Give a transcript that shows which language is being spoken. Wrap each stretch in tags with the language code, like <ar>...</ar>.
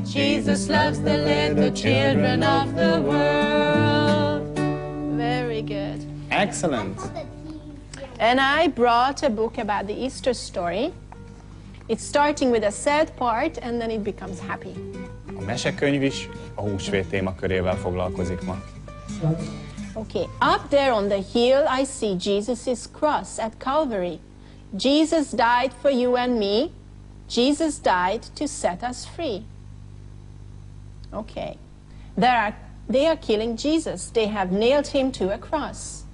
<en>Jesus loves the little children of the world. Very good. Excellent. And I brought a book about the Easter story. It's starting with a sad part and then it becomes happy.</en> <hu>A mesekönyv is a húsvét témakörével foglalkozik ma.</hu> <en>Okay, up there on the hill I see Jesus' cross at Calvary. Jesus died for you and me. Jesus died to set us free. Okay. They are killing Jesus. They have nailed him to a cross.</en>